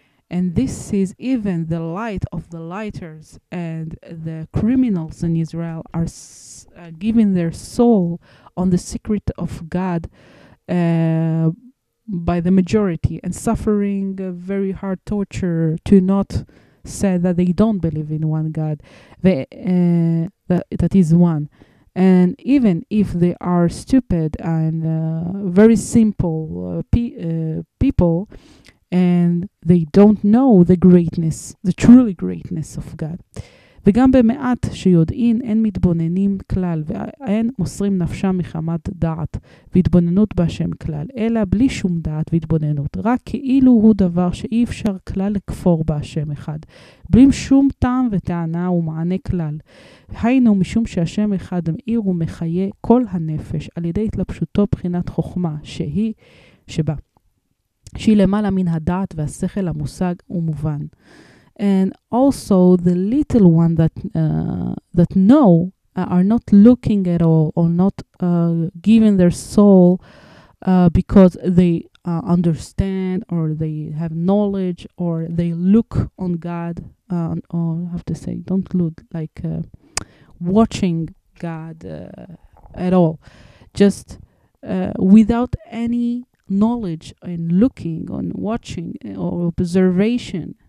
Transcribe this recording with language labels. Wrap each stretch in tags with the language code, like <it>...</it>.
<en>And this is even the light of the lighters and the criminals in Israel are giving their soul on the secret of God by the majority and suffering a very hard torture to not say that they don't believe in one God, that is one. And even if they are stupid and very simple people, and they don't know the greatness, the truly greatness of God.</en> <he>וגם במעט שיודעין אין מתבוננים כלל, ואין מוסרים נפשם מחמת דעת והתבוננות בשם כלל, אלא בלי שום דעת והתבוננות, רק כאילו הוא דבר שאי אפשר כלל לכפור בשם אחד, בלי שום טעם וטענה ומענה כלל. היינו משום שהשם אחד מאיר ומחיה כל הנפש על ידי התלבשותו בחינת חוכמה שהיא שבה. שהיא למעלה מן הדעת והשכל המושג ומובן.</he> <en>And also the little one that that know are not looking at all or not giving their soul because they understand or they have knowledge or they look on God or I have to say don't look like watching God at all, just without any knowledge and looking and watching or observation.</en>